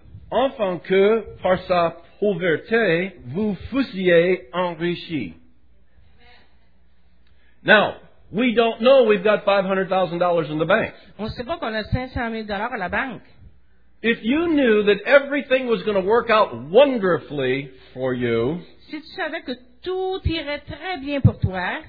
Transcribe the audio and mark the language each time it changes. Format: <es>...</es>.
<fr>Enfin que par sa pauvreté vous fussiez enrichis.</fr> <en>Now, we don't know we've got $500,000 in the bank.</en> <fr>On ne sait pas qu'on a $500,000 à la banque.</fr> <en>If you knew that everything was going to work out wonderfully for you,</en> <fr>si tu savais que tout irait très bien pour toi,</fr>